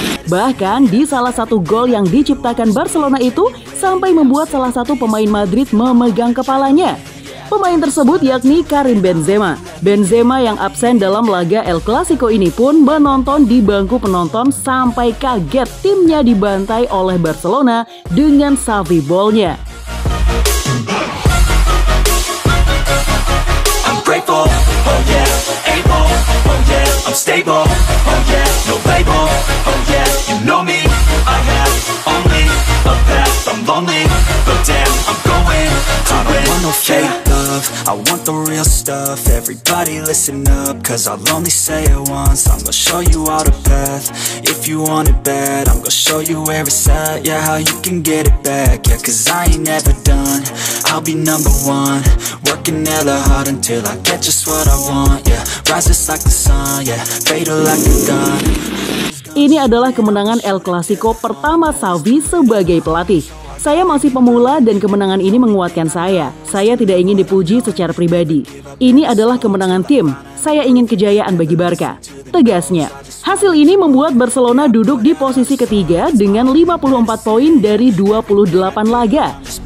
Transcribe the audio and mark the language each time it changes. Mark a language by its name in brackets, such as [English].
[Indonesian] Bahkan di salah satu gol yang diciptakan Barcelona itu sampai membuat salah satu pemain Madrid memegang kepalanya. Pemain tersebut yakni Karim Benzema. Benzema yang absen dalam laga El Clasico ini pun menonton di bangku penonton sampai kaget timnya dibantai oleh Barcelona dengan Xavi Ball-nya. [English] I'm grateful, oh yeah, able, oh yeah, I'm stable, oh yeah, no label, oh yeah, you know me, I have only a path, I'm lonely, but damn, I'm going to win, I'm okay. Yeah. I want the real stuff, everybody listen up, cause I'll only say it once. I'm gonna show you all the path, if you want it bad. I'm gonna show you where it's at, yeah, how you can get it back. Yeah, cause I ain't never done, I'll be number one. Working hella hard until I get just what I want. Yeah, rises like the sun, yeah, fatal like a gun. [Indonesian] Ini adalah kemenangan El Clasico pertama Xavi sebagai pelatih. Saya masih pemula dan kemenangan ini menguatkan saya. Saya tidak ingin dipuji secara pribadi. Ini adalah kemenangan tim. Saya ingin kejayaan bagi Barca. Tegasnya. Hasil ini membuat Barcelona duduk di posisi ketiga dengan 54 poin dari 28 laga.